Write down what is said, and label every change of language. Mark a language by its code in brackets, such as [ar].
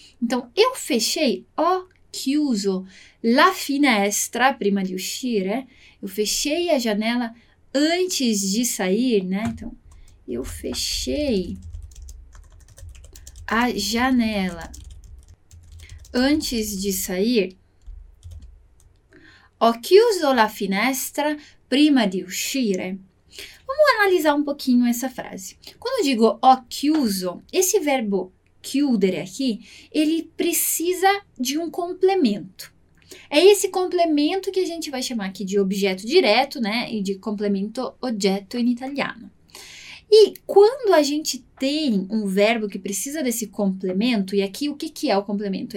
[pt] Então, eu fechei, [it] ho chiuso la finestra prima di uscire, [pt] eu fechei a janela antes de sair, né? Então, eu fechei a janela antes de sair. [it] Ho chiuso la finestra prima di uscire. [pt] Vamos analisar um pouquinho essa frase. Quando eu digo ho chiuso, esse verbo chiudere aqui, ele precisa de um complemento. É esse complemento que a gente vai chamar aqui de objeto direto, né? E de complemento oggetto em italiano. E quando a gente tem um verbo que precisa desse complemento, e aqui o que que é o complemento?